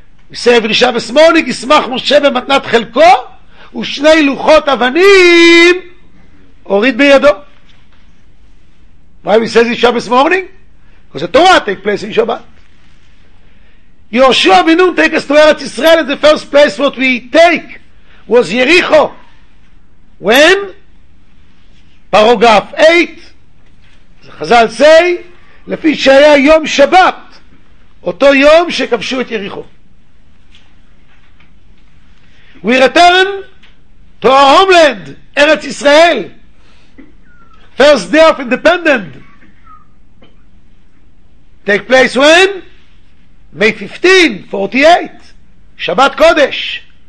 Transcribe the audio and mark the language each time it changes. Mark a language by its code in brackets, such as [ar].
[en] We say every Shabbos morning, [he] Yismach Moshe b'matnat chelko, ושני לוחות אבנים הוריד בידו. [en] Why we say this Shabbos morning? Because the Torah takes place in Shabbat. Yehoshua Binun takes us to Eretz Israel, and the first place what we take was Yericho. When? Paragraph 8. [he] Chazal say, לפי שהיה יום שבת, אותו יום שכבשו את יריחו. [en] We return to our homeland, Eretz Israel, first day of independence. Take place when? May 15, 48, Shabbat Kodesh.